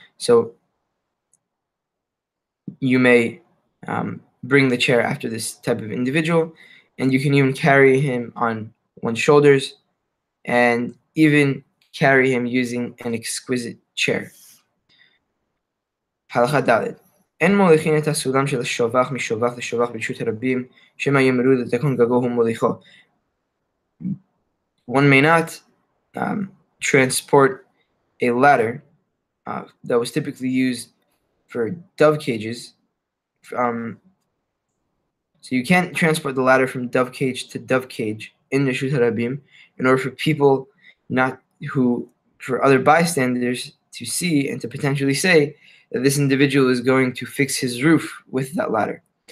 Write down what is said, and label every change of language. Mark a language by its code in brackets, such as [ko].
[en] So you may bring the chair after this type of individual, and you can even carry him on one's shoulders and even carry him using an exquisite chair. Halacha Dalet. [he] אין מוליכין את הסולם של השובח משובח לשובח ברשות הרבים, שמא יאמרו לתקן גגו הוא מוליכו. [en] One may not transport a ladder that was typically used for dove cages. So you can't transport the ladder from dove cage to dove cage in the Rishut HaRabim in order for people for other bystanders to see and to potentially say that this individual is going to fix his roof with that ladder.